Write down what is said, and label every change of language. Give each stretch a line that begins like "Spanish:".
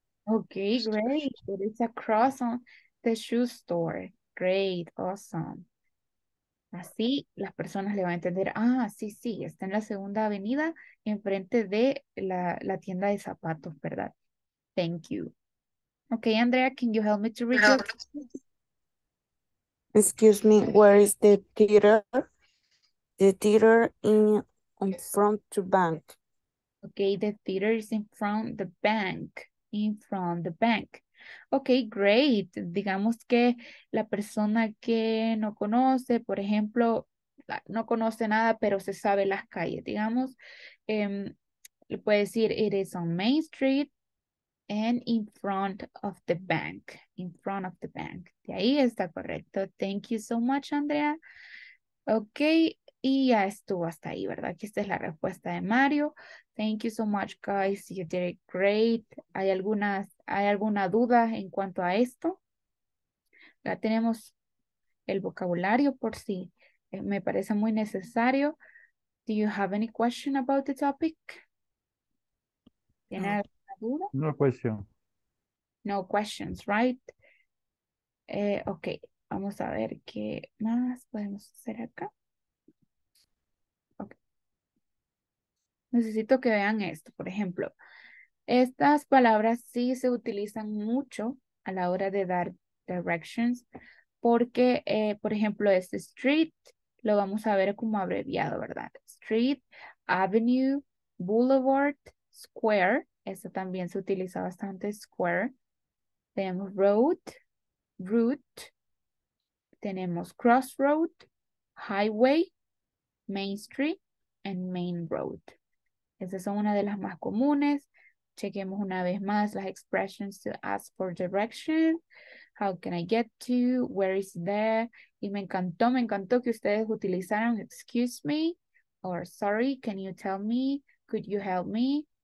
English: Okay, great. It is across on the shoe store. Great, awesome.
Spanish: Así las personas le van a entender. Ah, sí, está en la segunda avenida enfrente de la tienda de zapatos, ¿verdad?
English: Thank you. Okay, Andrea, can you help me to read your questions? Excuse me, where is the theater? The theater in front to bank. Okay, the theater is in front the bank. In front the bank. Okay, great.
Spanish: Digamos que la persona que no conoce, por ejemplo, no conoce nada, pero se sabe las calles. Digamos, le puede decir,
English: it is on Main Street and in front of the bank. In front of the bank.
Spanish: De ahí está correcto.
English: Thank you so much, Andrea. Okay.
Spanish: Y ya estuvo hasta ahí, ¿verdad? Aquí esta es la respuesta de Mario.
English: Thank you so much, guys. You did it great.
Spanish: ¿Hay alguna duda en cuanto a esto? Ya tenemos el vocabulario por sí. Me parece muy necesario.
English: Do you have any question about the topic?
Spanish: ¿Tiene alguna duda?
English: No question. No questions, right?
Spanish: Ok, vamos a ver qué más podemos hacer acá. Okay. Necesito que vean esto, por ejemplo. Estas palabras sí se utilizan mucho a la hora de dar directions porque, por ejemplo, este street lo vamos a ver como abreviado, ¿verdad?
English: Street, avenue, boulevard, square.
Spanish: Esto también se utiliza bastante, square. Tenemos road, route. Tenemos
English: crossroad, highway, main street, and main road.
Spanish: Estas son una de las más comunes. Chequemos una vez más las
English: expressions to ask for direction. How can I get to? Where is there?
Spanish: Y me encantó que ustedes utilizaran
English: excuse me or sorry, can you tell me? Could you help me?